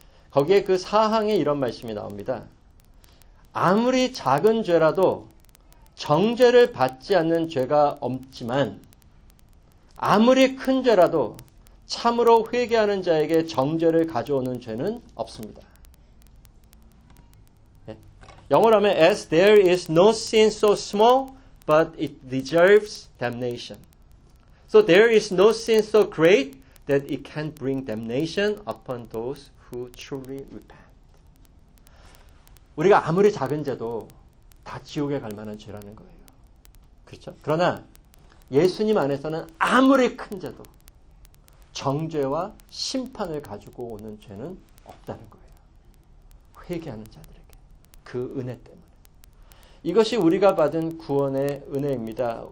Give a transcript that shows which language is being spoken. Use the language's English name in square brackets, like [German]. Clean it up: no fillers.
[Korean] 거기에 그 사항에 이런 말씀이 나옵니다. 아무리 작은 죄라도 정죄를 받지 않는 죄가 없지만 아무리 큰 죄라도 참으로 회개하는 자에게 정죄를 가져오는 죄는 없습니다. 네. 영어로 하면 [English] As there is no sin so small but it deserves damnation. So there is no sin so great that it can bring damnation upon those who truly repent. [Korean] 우리가 아무리 작은 죄도 다 지옥에 갈 만한 죄라는 거예요. 그렇죠? 그러나 예수님 안에서는 아무리 큰 죄도 정죄와 심판을 가지고 오는 죄는 없다는 거예요. 회개하는 자들에게 그 은혜 때문에. 이것이 우리가 받은 구원의 은혜입니다.